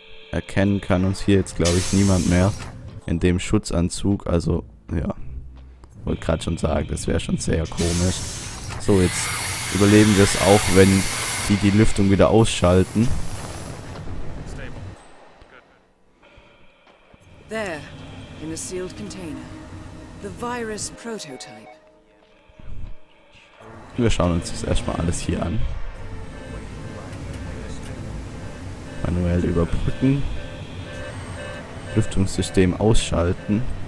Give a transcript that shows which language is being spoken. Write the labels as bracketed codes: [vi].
[de] Erkennen kann uns hier jetzt, glaube ich, niemand mehr in dem Schutzanzug. Also, ja. Wollte gerade schon sagen, das wäre schon sehr komisch. So, jetzt überleben wir es auch, wenn die Lüftung wieder ausschalten. [en] There, in a sealed container. The virus prototype. [de] Wir schauen uns das erstmal alles hier an. Manuell überbrücken. Lüftungssystem ausschalten.